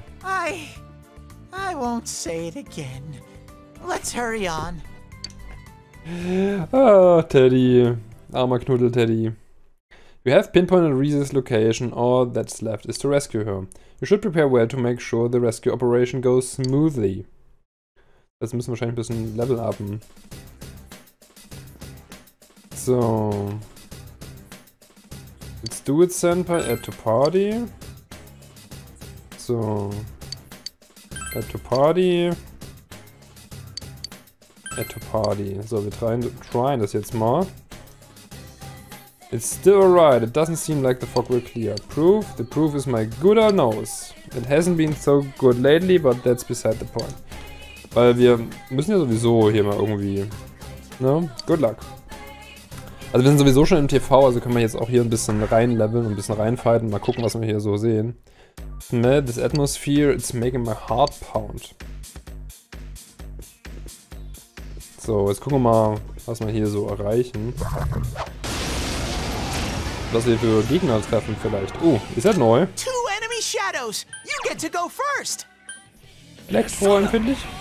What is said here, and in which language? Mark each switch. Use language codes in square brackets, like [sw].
[en] I won't say it again. Let's hurry on. Oh, Teddy. [de] Armer Knuddel-Teddy. [en] You have pinpointed Reese's location. All that's left is to rescue her. You should prepare well to make sure the rescue operation goes smoothly. [de] Das müssen wir wahrscheinlich ein bisschen level upen. So. [en] Let's do it, Senpai. Add to party. So. Add to party. Add to party. [de] So, wir tryen das jetzt mal. [en] It's still alright. It doesn't seem like the fog will clear. Proof? The proof is my good old nose. It hasn't been so good lately, but that's beside the point. [de] Weil wir müssen ja sowieso hier mal irgendwie... Ne? [en] Good luck. [de] Also wir sind sowieso schon im TV, also können wir jetzt auch hier ein bisschen reinleveln und ein bisschen reinfighten. Mal gucken, was wir hier so sehen. [en] Smell this atmosphere, it's making my heart pound. [de] So, jetzt gucken wir mal, was wir hier so erreichen. Was wir für Gegner treffen vielleicht. Oh, ist das neu? [en] Two enemy shadows. You get to go first. [de] Elektro empfindlich.